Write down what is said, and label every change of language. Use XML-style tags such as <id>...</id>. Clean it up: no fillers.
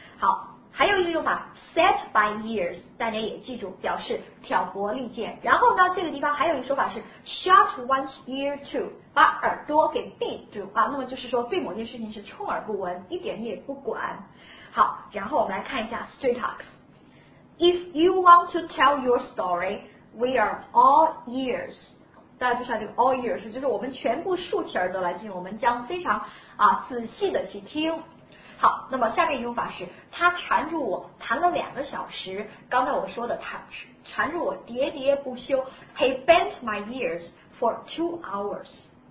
<zh>好。还有一个用法 set by ears， 大家也记住，表示挑拨离间。然后呢，这个地方还有一个说法是 shut one's ear to， 把耳朵给闭住啊。那么就是说对某件事情是充耳不闻，一点也不管。好，然后我们来看一下 straight talks。</zh> <en>If you want to tell your story, we are all ears。</en> <zh>大家注意下这个 all ears， 就是我们全部竖起耳朵来听，我们将非常啊仔细的去听。好，那么下面一种法是他缠住我谈了两个小时，刚才我说的他缠住我喋喋不休，</zh> <en>he bent my ears for 2 hours。</en>